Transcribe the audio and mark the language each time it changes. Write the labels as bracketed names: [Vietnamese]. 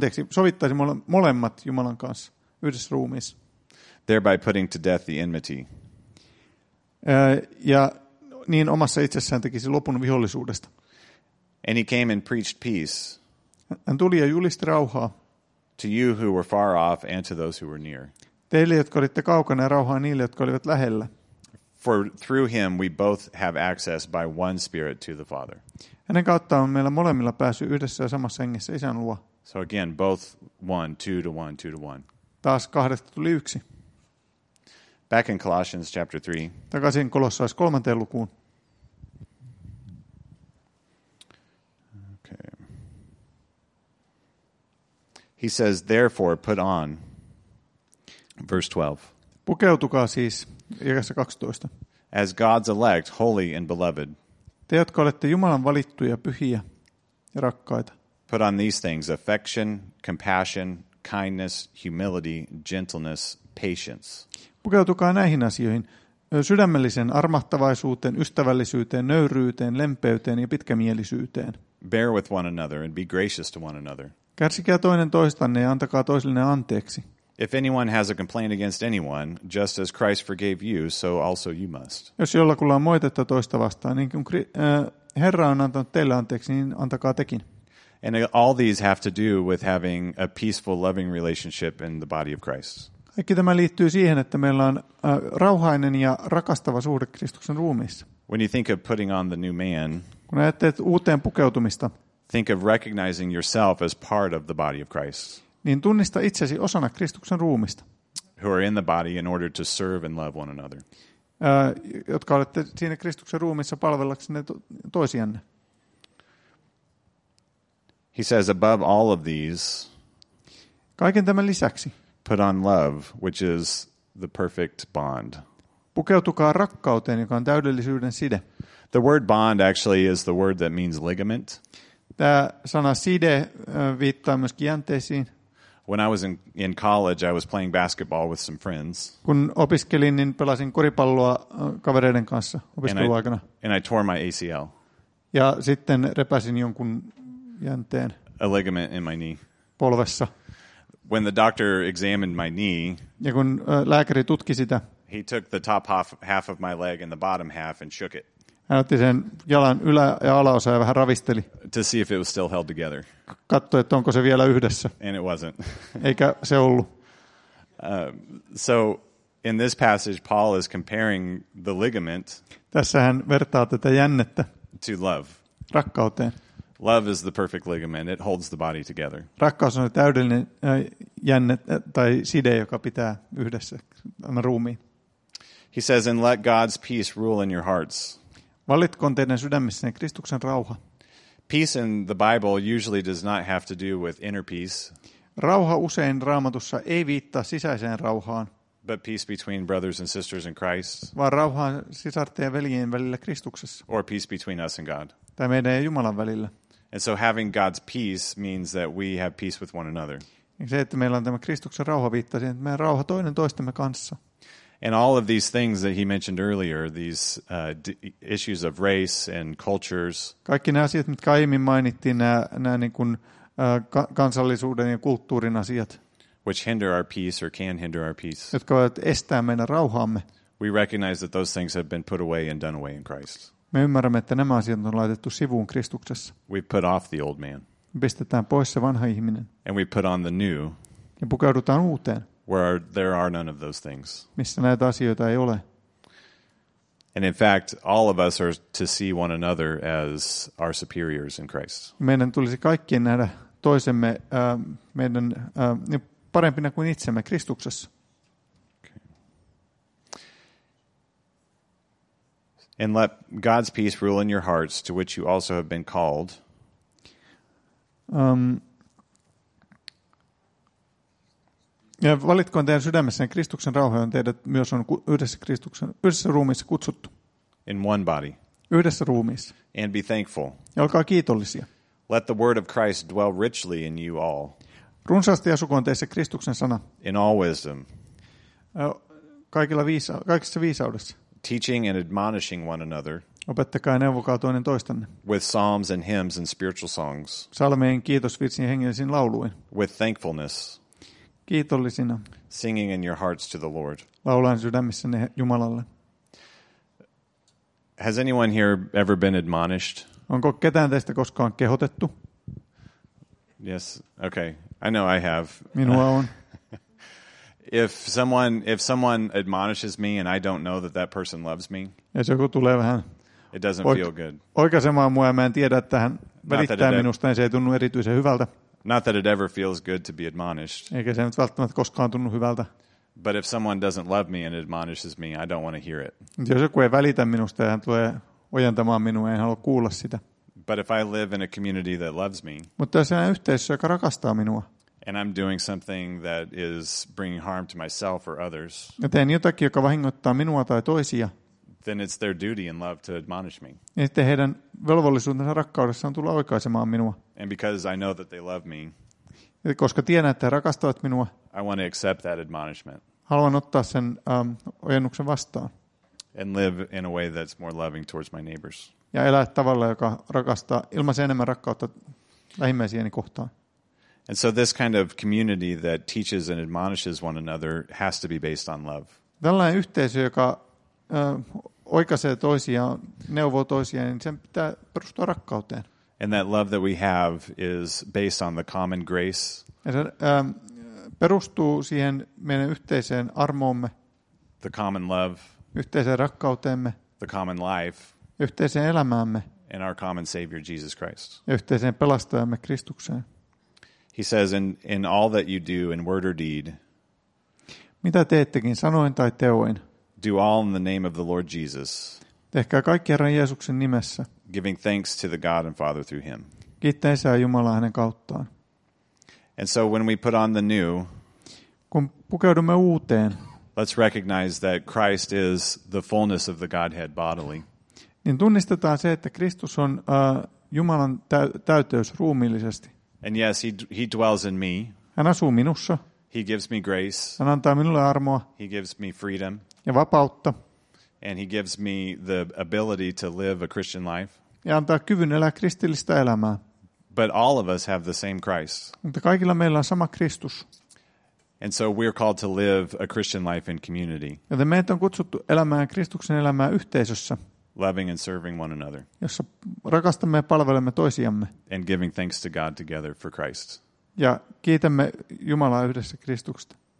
[Finnish] Sovittaisi molemmat Jumalan kanssa yhdessä ruumiissa. [English] Thereby putting to death the enmity. [Finnish] Ja niin omassa itsessään tekisi lopun vihollisuudesta. [English] And he came and preached peace. [Finnish] Hän tuli ja julisti rauhaa. [English] To you who were far off and to those who were near. [Finnish] Teille, jotka olitte kaukana, ja rauhaa niille, jotka olivat lähellä. [English] For through him we both have access by one spirit to the Father. [Finnish] Hänen kautta on meillä molemmilla pääsy yhdessä ja samassa hengessä isän luo. [English] So again, both one, two to one, two to one. [Finnish] Taas kahdesta tuli yksi. [English] Back in Colossians chapter 3. [Finnish] Takaisin Kolossais 3. lukuun. [English] Okay. He says, therefore, put on. Verse 12. [Finnish] Pukeutukaa siis, jakessa 12. [English] As God's elect, holy and beloved. [Finnish] Te, jotka olette Jumalan valittuja, pyhiä ja rakkaita. [English] Put on these things, affection, compassion, kindness, humility, gentleness, patience. [Finnish] Pukeutukaa näihin asioihin, sydämellisen armahtavaisuuteen, ystävällisyyteen, nöyryyteen, lempeyteen ja pitkämielisyyteen. [English] Bear with one another and be gracious to one another. [Finnish] Kärsikää toinen toistanne ja antakaa toisille anteeksi. [English] If anyone has a complaint against anyone, just as Christ forgave you, so also you must. [Finnish] Jos jollakulla on moitetta toista vastaan, niin kun Herra on antanut teille anteeksi, niin antakaa tekin. [English] And all these have to do with having a peaceful, loving relationship in the body of Christ. [Finnish] Kaikki tämä liittyy siihen, että meillä on rauhainen ja rakastava suhde Kristuksen ruumiissa. [English] When you think of putting on the new man, [Finnish] kun ajattelet uuteen pukeutumista, [English] think of recognizing yourself as part of the body of Christ. [Finnish] Niin tunnista itsesi osana Kristuksen ruumista. [English] Who are in the body in order to serve and love one another. [Finnish] Jotka olette siinä Kristuksen ruumissa palvellaksenne toisianne. [English] He says above all of these, [Finnish] kaiken tämän lisäksi, [English] put on love, which is the perfect bond. [Finnish] Pukeutukaa rakkauteen, joka on täydellisyyden side. [English] The word bond actually is the word that means ligament. [Finnish] Tämä sana side viittaa myöskin jänteisiin. [English] When I was in college, I was playing basketball with some friends. [Finnish] Kun opiskelin, niin pelasin koripalloa kavereiden kanssa opiskeluaikana. [English] And I tore my ACL. [Finnish] Ja sitten repäsin jonkun jänteen. [English] A ligament in my knee. [Finnish] Polvessa. [English] When the doctor examined my knee, [Finnish] ja kun lääkäri tutki sitä, [English] he took the top half of my leg and the bottom half and shook it. [Finnish] Hän otti sen jalan ylä- ja alaosa ja vähän ravisteli. [English] To see if it was still held together. [Finnish] Katso, että onko se vielä yhdessä. [English] And it wasn't. [Finnish] Eikä se ollut. [English] So in this passage, Paul is comparing the ligament. [Finnish] Tässä hän vertaa tätä jännettä. [English] To love. [Finnish] Rakkauteen. [English] Love is the perfect ligament. It holds the body together. [Finnish] Rakkaus on täydellinen jänne tai side, joka pitää yhdessä ruumiin. [English] He says, and let God's peace rule in your hearts. [Finnish] Vallitkoon teidän sydämissänne Kristuksen rauha. [English] Peace in the Bible usually does not have to do with inner peace. [Finnish] Rauha usein Raamatussa ei viittaa sisäiseen rauhaan. [English] But peace between brothers and sisters in Christ. [Finnish] Vaan rauhaan sisarten ja veljien välillä Kristuksessa. [English] Or peace between us and God. [Finnish] Tai meidän ja Jumalan välillä. [English] And so having God's peace means that we have peace with one another. [Finnish] Ja se, että meillä on tämä Kristuksen rauha, viittaa siihen, että meidän rauha toinen toistemme kanssa. [English] And all of these things that he mentioned earlier, these issues of race and cultures. [Finnish] Kaikki nämä asiat, mitkä aiemmin mainittiin, nämä niin kuin, kansallisuuden ja kulttuurin asiat. [English] Which hinder our peace or can hinder our peace. [Finnish] Jotka voivat estää meidän rauhaamme. [English] We recognize that those things have been put away and done away in Christ. [Finnish] Me ymmärrämme, että nämä asiat on laitettu sivuun Kristuksessa. [English] We put off the old man. [Finnish] Pistetään pois se vanha ihminen. [English] And we put on the new. [Finnish] Ja pukeudutaan uuteen. [English] Where there are none of those things. [Finnish] Missä näitä asioita ei ole. [English] And in fact, all of us are to see one another as our superiors in Christ. [Finnish] Meidän tulisi kaikkien nähdä toisemme meidän parempina kuin itsemme Kristuksessa. [English] And let God's peace rule in your hearts, to which you also have been called. [Finnish] Ja valitkoon teidän sydämessään Kristuksen rauha, johon teidät myös on yhdessä Kristuksen yhdessä ruumiissa kutsuttu. [English] In one body. [Finnish] Yhdessä ruumiissa. [English] And be thankful. [Finnish] Ja olkaa kiitollisia. [English] Let the word of Christ dwell richly in you all. [Finnish] Runsaasti asukoon teissä Kristuksen sana. [English] In all wisdom. [Finnish] Kaikessa viisaudessa. [English] Teaching and admonishing one another. [Finnish] Opettakaa ja neuvokaa toinen toistanne. [English] With psalms and hymns and spiritual songs. [Finnish] Psalmien, kiitosvitsin ja hengellisin lauluin. [English] With thankfulness. [Finnish] Kiitollisina. [English] Singing in your hearts to the Lord. [Finnish] Laulaen sydämissäni Jumalalle. [English] Has anyone here ever been admonished? [Finnish] Onko ketään teistä koskaan kehotettu? [English] Yes, okay. I know I have. [Finnish] Minua on. [English] If someone admonishes me and I don't know that that person loves me, [Finnish] jos joku tulee vähän, [English] it doesn't feel good. [Finnish] Oikaisemaan mua, mä en tiedä, että hän välittää minusta, niin se ei tunnu erityisen hyvältä. [English] Not that it ever feels good to be admonished. [Finnish] Eikä se nyt välttämättä koskaan tunnu hyvältä. [English] But if someone doesn't love me and admonishes me, I don't want to hear it. [Finnish] Jos joku ei välitä minusta ja hän tulee ojentamaan minua, en halua kuulla sitä. [English] But if I live in a community that loves me, [Finnish] mutta jos on yhteisö, joka rakastaa minua, [English] and I'm doing something that is bringing harm to myself or others, [Finnish] ja teen jotakin, joka vahingoittaa minua tai toisia, [English] then it's their duty and love to admonish me. [Finnish] Ja sitten heidän velvollisuutensa rakkaudessa on tulla oikaisemaan minua. [English] And because I know that they love me, [Finnish] ja koska tiedän, että he rakastavat minua, [English] I want to accept that admonishment. [Finnish] Haluan ottaa sen ojennuksen vastaan. [English] And live in a way that's more loving towards my neighbors. [Finnish] Ja elää tavalla, joka rakastaa, ilmaisee enemmän rakkautta lähimmäisiäni kohtaan. [English] And so this kind of community that teaches and admonishes one another has to be based on love. [Finnish] Tällainen yhteisö, joka oikaisee toisiaan, neuvoo toisiaan, niin sen pitää perustua rakkauteen. [English] And that love that we have is based on the common grace. [Finnish] Ja se perustuu siihen meidän yhteiseen armoomme. [English] The common love. [Finnish] Yhteiseen rakkauteemme. [English] The common life. [Finnish] Yhteiseen elämäämme. [English] And our common Savior Jesus Christ. [Finnish] Yhteiseen pelastajamme Kristukseen. [English] He says, in all that you do, in word or deed, [Finnish] mitä teettekin, sanoin tai teoin, [English] do all in the name of the Lord Jesus, [Finnish] tehkää kaikki Herran Jeesuksen nimessä, [English] giving thanks to the God and Father through him. [Finnish] Kiittää Isää Jumalaa hänen kauttaan. [English] And so when we put on the new, [Finnish] kun pukeudumme uuteen, [English] let's recognize that Christ is the fullness of the Godhead bodily. [Finnish] Niin tunnistetaan se, että Kristus on Jumalan täyteys ruumiillisesti. [English] And yes, he dwells in me. [Finnish] Hän asuu minussa. [English] He gives me grace. [Finnish] Hän antaa minulle armoa. [English] He gives me freedom. [Finnish] Ja vapautta. [English] And he gives me the ability to live a Christian life. [Finnish] Ja antaa kyvyn elää kristillistä elämää. [English] But all of us have the same Christ. [Finnish] Mutta kaikilla meillä on sama Kristus. [English] And so we're called to live a Christian life in community. [Finnish] Joten meitä on kutsuttu elämään Kristuksen elämää yhteisössä. [English] Loving and serving one another. [Finnish] Jossa rakastamme ja palvelemme toisiamme. [English] And giving thanks to God together for Christ. [Finnish] Ja kiitämme Jumalaa yhdessä Kristuksesta.